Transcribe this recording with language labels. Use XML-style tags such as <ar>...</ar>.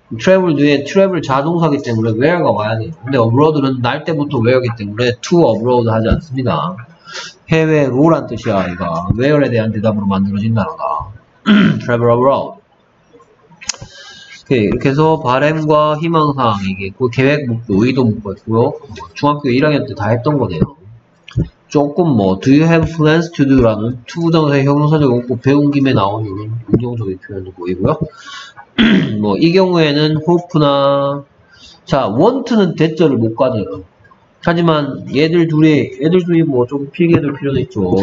<ko>travel 뒤에 travel 자동사기 때문에 where가 와야 돼. 근데 abroad는 날 때부터 where이기 때문에 to abroad 하지 않습니다. 해외로란 뜻이야, 이가 where에 대한 대답으로 만들어진 단어다. travel abroad. 오케이, 이렇게 해서 바램과 희망사항 이게 있고 계획 묶고 의도 묶고 있고요. 중학교 1학년 때 다 했던 거네요. 조금 뭐</ko> <en>Do you have plans to do?</en> <ko>라는 투부정사의 형용사적 묶고 배운 김에 나오는 긍정적인 표현도 보이고요. 뭐 이 경우에는 hope나 자 want는 대절을 못 가져요. 하지만 얘들 둘이 뭐 좀 필기해둘 필요도 있죠.</ko>